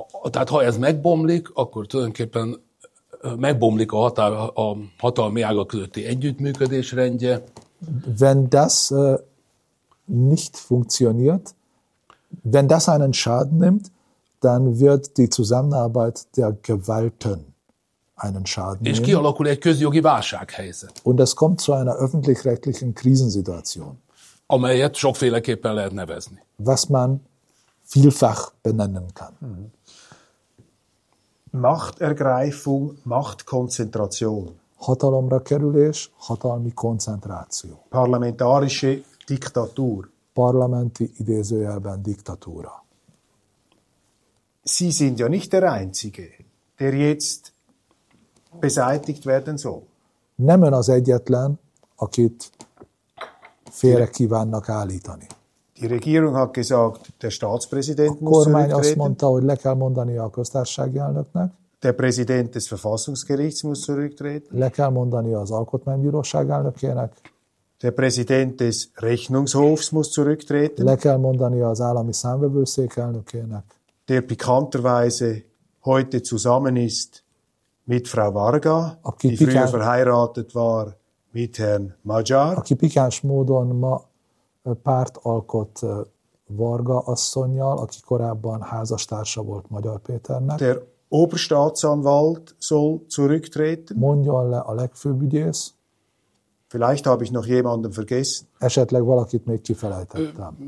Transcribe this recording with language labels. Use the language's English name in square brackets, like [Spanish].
[Hungarian] Tehát ha ez megbomlik, akkor tulajdonképpen megbomlik a hatalmi ágak közötti együttműködés rendje. [German] Wenn das nicht funktioniert, Wenn das einen Schaden nimmt, dann wird die Zusammenarbeit der Gewalten einen Schaden nehmen. [Hungarian] És kialakul egy közjogi válsághelyzet. [German] Und es kommt zu einer öffentlich-rechtlichen Krisensituation. [Hungarian] Amelyet sokféleképpen lehet nevezni. [German] Was man vielfach benennen kann. Mhm. Machtergreifung, Machtkonzentration. [Hungarian] Hatalomra kerülés, hatalmi koncentráció. [German] Parlamentarische Diktatur. [Hungarian] Parlamenti idézőjelben diktatúra. [German] Sie sind ja nicht der Einzige, der jetzt beseitigt werden soll. [Hungarian] Nem ön az egyetlen, akit félre kívánnak állítani. [German] Die Regierung hat gesagt, der Staatspräsident muss zurücktreten. [Hungarian] A kormány azt mondta, hogy le kell mondani a köztársasági elnöknek. [German] Der Präsident des Verfassungsgerichts muss zurücktreten. [Hungarian] Le kell mondani az Alkotmánybíróság elnökének. [German] Der Präsident des Rechnungshofs muss zurücktreten. [Hungarian] Le kell mondani az állami számvevőszék elnökének. [German] Der pikanterweise heute zusammen ist mit Frau Varga, aki die früher verheiratet war mit Herrn Magyar. [Hungarian] Aki pikáns módon ma párt alkot Varga asszonnyal, aki korábban házastársa volt Magyar Péternek. [German] Der Oberstaatsanwalt soll zurücktreten. [Hungarian] Mondjon le a legfőbb ügyész. [German] Vielleicht habe ich noch jemanden vergessen. [Hungarian] Esetleg valakit még kifelejtettem.